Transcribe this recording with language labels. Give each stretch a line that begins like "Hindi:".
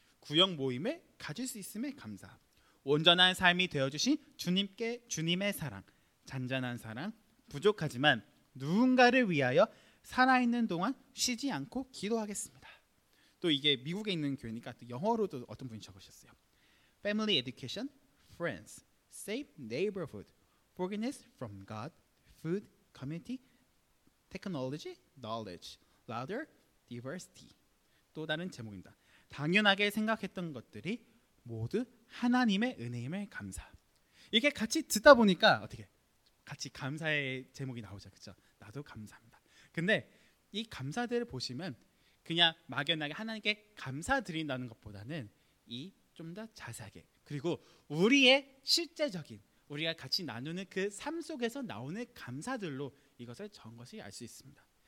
Korean: 구역 모임을 가질 수 있음에 감사. 온전한 삶이 되어주신 주님께 주님의 사랑. 잔잔한 사랑. 부족하지만 누군가를 위하여 살아있는 동안 쉬지 않고 기도하겠습니다. 또 이게 미국에 있는 교회니까 또 영어로도 어떤 분이 적으셨어요.
English: Family education, friends. Safe neighborhood, forgiveness from God, food, community, technology, knowledge, louder, diversity.
Korean: 또 다른 제목입니다. 당연하게 생각했던 것들이 모두 하나님의 은혜임에 감사. 이렇게 같이 듣다 보니까 어떻게 같이 감사의 제목이 나오죠. 그렇죠? 나도 감사합니다. 근데 이 감사들을 보시면 그냥 막연하게 하나님께 감사드린다는 것보다는 이 좀 더 자세하게 그리고 우리의 실제적인 우리가 같이 나누는 그 삶 속에서 나오는 감사들로 이것을 적은 것을 알 수 있습니다.